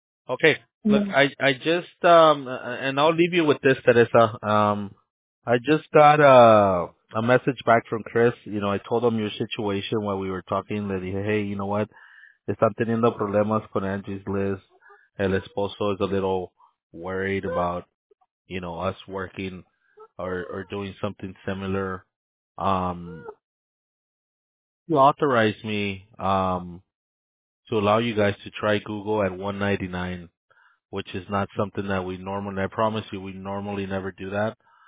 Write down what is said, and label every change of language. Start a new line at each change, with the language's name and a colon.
English: Okay, look, I just, and I'll leave you with this, Teresa. I just got a message back from Chris. You know, I told him your situation while we were talking. That he said, hey, you know what?
Spanish: Están teniendo problemas con Angie's List. El esposo
English: is a little worried about, you know, us working or doing something similar. You authorized me, to allow you guys to try Google at $199, which is not something that we normally, I promise you, we normally never do that.